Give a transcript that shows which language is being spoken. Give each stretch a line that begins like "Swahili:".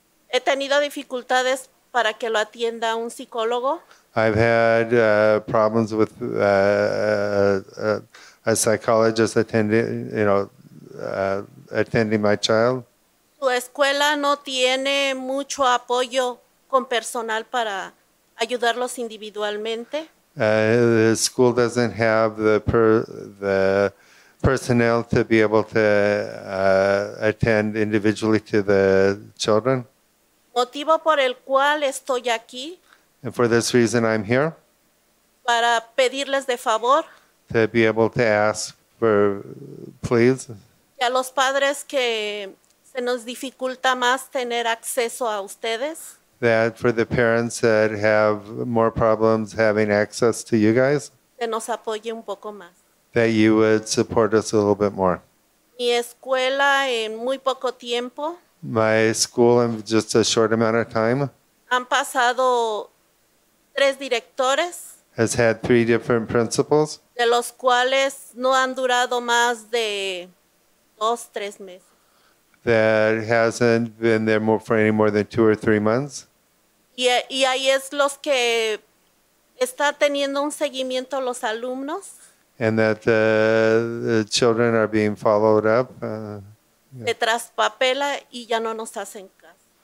Spanish: He tenido dificultades para que lo atienda un psicólogo.
English: I've had problems with a psychologist attending my child.
Spanish: Tu escuela no tiene mucho apoyo con personal para ayudarlos individualmente.
English: The school doesn't have the personnel to be able to attend individually to the children.
Spanish: Motivo por el cual estoy aquí.
English: And for this reason I'm here.
Spanish: Para pedirles de favor.
English: To be able to ask for, please.
Spanish: Y a los padres que se nos dificulta más tener acceso a ustedes.
English: That for the parents that have more problems having access to you guys.
Spanish: Que nos apoye un poco más.
English: That you would support us a little bit more.
Spanish: Mi escuela en muy poco tiempo.
English: My school in just a short amount of time.
Spanish: Han pasado tres directores.
English: Has had three different principals.
Spanish: De los cuales no han durado más de 2-3 meses.
English: That hasn't been there more for any more than 2 or 3 months.
Spanish: Y ahí es los que está teniendo un seguimiento los alumnos.
English: And that the children are being followed up.
Spanish: Se traspapela y ya no nos hacen caso.